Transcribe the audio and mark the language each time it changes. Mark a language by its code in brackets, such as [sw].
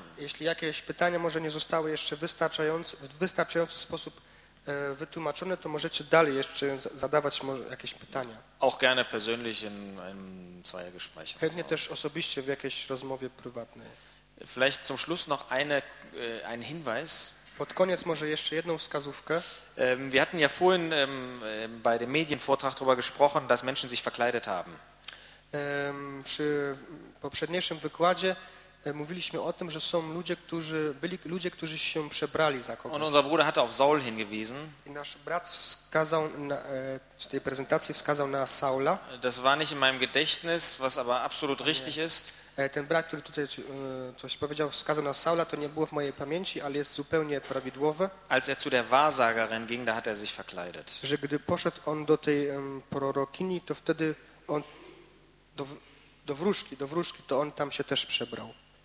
[pl] Jeśli jakieś pytania może nie zostały jeszcze wystarczający sposób wytłumaczone, to możecie dalej jeszcze zadawać może jakieś pytania. [de] Auch gerne persönlich in einem Zweiergespräch. [pl] Chętnie też osobiście w jakiejś rozmowie prywatnej. [de] Vielleicht zum Schluss noch ein Hinweis. [pl] Pod koniec może jeszcze jedną wskazówkę. [de] Wir hatten ja vorhin bei dem Medienvortrag darüber gesprochen, dass Menschen sich verkleidet haben. [pl] Przy poprzedniejszym wykładzie mówiliśmy o tym, że są ludzie, którzy byli ludzie, którzy się przebrali za kogoś. [de] Und unser Bruder hatte auf Saul hingewiesen. [pl] I nasz brat wskazał na, z tej prezentacji wskazał na Saula. [de] Das war nicht in meinem Gedächtnis, was aber absolut richtig ist. [pl] Ten brat, który tutaj coś powiedział, wskazał na Saula, to nie było w mojej pamięci, ale jest zupełnie prawidłowe. [de] Als er zu der Wahrsagerin ging, da hat er sich verkleidet. [pl] Że gdy poszedł on do tej prorokini, to wtedy on do wróżki, to on tam się też przebrał.